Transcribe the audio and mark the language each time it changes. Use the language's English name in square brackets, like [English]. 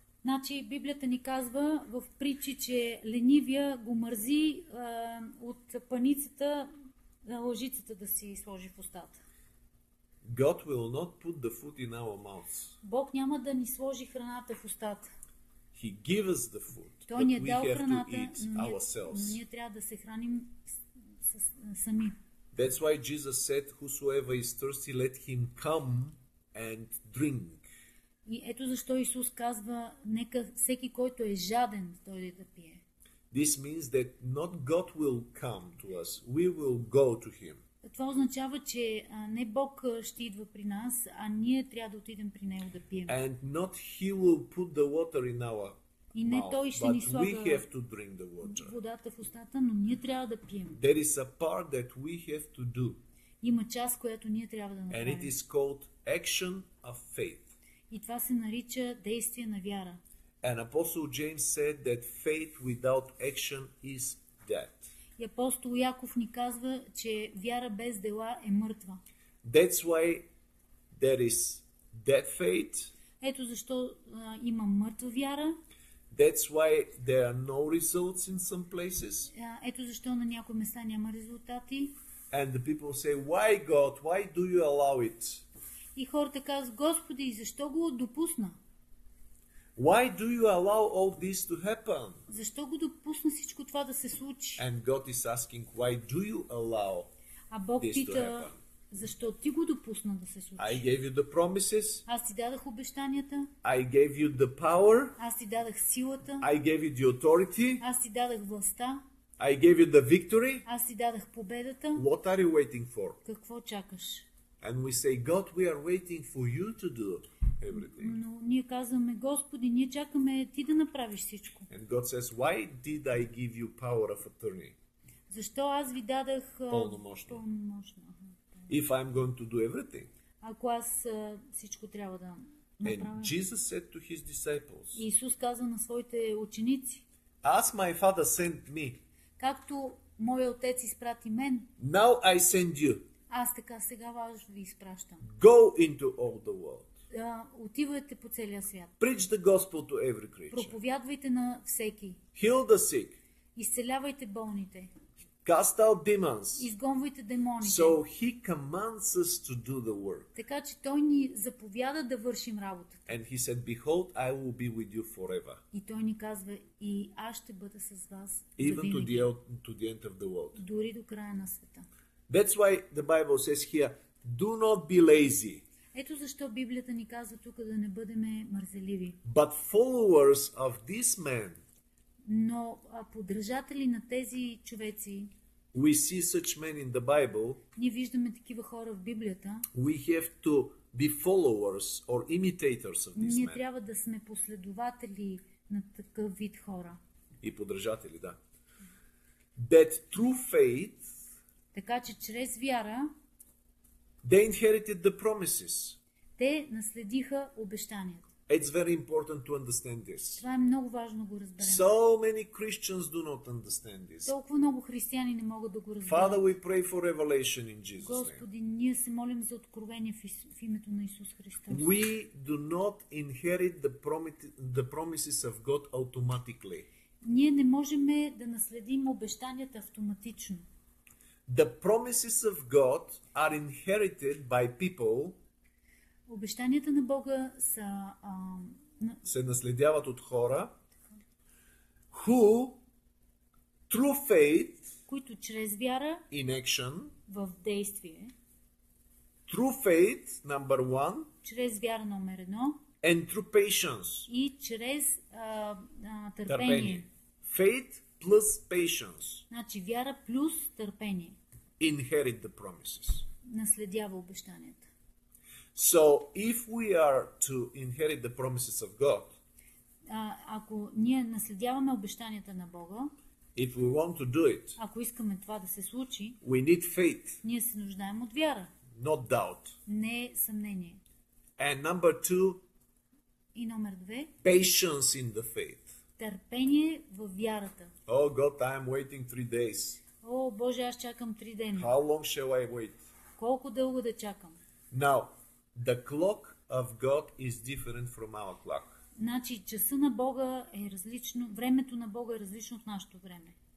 [Bulgarian] Значи Библията ни казва в Притчи, че ленивия го мързи от паницата на лъжицата да си сложи в устата. [English] God will not put the food in our mouths. [Bulgarian] Бог няма да ни сложи храната в устата. [English] He gives us the food. [Bulgarian] Той ни е дал храната, но ние трябва да се храним сами. [English] That's why Jesus said, whosoever is thirsty, let him come and drink. [Bulgarian] И ето защо Исус казва, нека всеки, който е жаден, дойде да пие. [English] This means that not God will come to us, we will go to him. [Bulgarian] Това означава, че не Бог ще идва при нас, а ние трябва да отидем при Него да пием. [English] And not he will put the water in our mouth, [Bulgarian] и не Той ще ни слага [English] we have to drink the water. [Bulgarian] Водата в устата, но ние трябва да пием. [English] There is a part that we have to do. [Bulgarian] Има част, която ние трябва да направим. [English] And it is called action of faith. [Bulgarian] И това се нарича действие на вяра. [English] And Apostle James said that faith without action is dead. [Bulgarian] И апостол Яков ни казва, че вяра без дела е мъртва. [English] That's why there is dead faith. [Bulgarian] Ето защо има мъртва вяра. [English] That's why there are no results in some places. [Bulgarian] Ето защо на някои места няма резултати. [English] And the people say, why God, why do you allow it? [Bulgarian] И хората казват, Господи, защо го допусна? [English] Why do you allow all this to happen? [Bulgarian] Защо го допусна всичко това да се случи? [English] And God is asking, why do you allow this [Bulgarian] пита, [English] to happen? [Bulgarian] Защо ти го допусна да се случи? [English] I gave you the promises. [Bulgarian] Аз ти дадах обещанията. [English] I gave you the power. [Bulgarian] Аз ти дадах силата. [English] I gave you the authority. [Bulgarian] Аз ти дадах властта. [English] I gave you the victory. [Bulgarian] Аз ти дадах победата. [English] What are you waiting for? [Bulgarian] Какво чакаш? [English] And we say, God, we are waiting for you to do everything. [Bulgarian] Но ние казваме, Господи, ние чакаме ти да направиш всичко. [English] And God says, why did I give you power of attorney? [Bulgarian] Защо аз ви дадах пълномощно? Пълномощно. [English] If I'm going to do everything. [Bulgarian] Ако аз всичко трябва да направя. [English] And Jesus said to his disciples. [Bulgarian] Исус каза на своите ученици. [English] As my father sent me. [Bulgarian] Както мой отец изпрати мен. [English] Now I send you. [Bulgarian] Аз така сега вас ви изпращам. [English] Go into all the world. [Bulgarian] Отивайте по целия свят. [English] Preach the gospel to every creature. [Bulgarian] Проповядвайте на всеки. [English] Heal the sick. [Bulgarian] Изцелявайте болните. [English] Cast out demons. [Bulgarian] Изгонвайте демоните. [English] So he commands us to do the work. [Bulgarian] Така че той ни заповяда да вършим работата. [English] And he said, behold, I will be with you forever. [Bulgarian] И той ни казва, и аз ще бъда с вас [English] even [Bulgarian] завинаги. [English] To the end of the world. [Bulgarian] Дори до края на света. [English] That's why the Bible says here, do not be lazy. [Bulgarian] Ето защо Библията ни казва тук да не бъдеме мързеливи. [English] But followers of this man. [Bulgarian] Но поддържатели на тези човеци. [English] We see such men in the Bible. [Bulgarian] Ние виждаме такива хора в Библията. [English] We have to be followers or imitators of this man. [Bulgarian] Ние трябва да сме последователи на такъв вид хора. И поддържатели, да. [English] That true faith. [Bulgarian] Така че чрез вяра [English] they inherited the promises. [Bulgarian] Те наследиха обещанията. [English] It's very important to understand this. [Bulgarian] Това е много важно да го разберем. [English] So many Christians do not understand this. [Bulgarian] Толкова много християни не могат да го разберат. [English] Father, we pray for revelation in Jesus' name. [Bulgarian] Господи, ние се молим за откровение в името на Исус Христос. [English] We do not inherit the promises of God automatically. [Bulgarian] Ние не можем да наследим обещанията автоматично. [English] The promises of God are inherited by people. [Bulgarian] Обещанията на Бога са се наследяват от хора [English] who through faith, [Bulgarian] които чрез вяра [English] in action, [Bulgarian] в действие. [English] True faith number one, [Bulgarian] чрез вяра номер едно, [English] and through patience, [Bulgarian] и чрез търпение. [English] Faith plus patience. [Bulgarian] Значи вяра плюс търпение. [English] Inherit the promises. [Bulgarian] Наследява обещанията. [English] So if we are to inherit the promises of God. [Bulgarian] Ако ние наследяваме обещанията на Бога. [English] If we want to do it. [Bulgarian] Ако искаме това да се случи. [English] We need faith. [Bulgarian] Ние се нуждаем от вяра. [English] Not doubt. [Bulgarian] Не съмнение. [English] And number two. [Bulgarian] И номер две. [English] Patience in the faith. [Bulgarian] Търпение в вярата. [English] Oh God, I am waiting 3 days. [Bulgarian] О, Боже, аз чакам 3 дни. [English] How long shall I wait? [Bulgarian] Колко дълго да чакам? [English] Now, the clock of God is different from our clock. [Bulgarian] Значи, часа на Бога е различно, времето на Бога е различно от нашето време.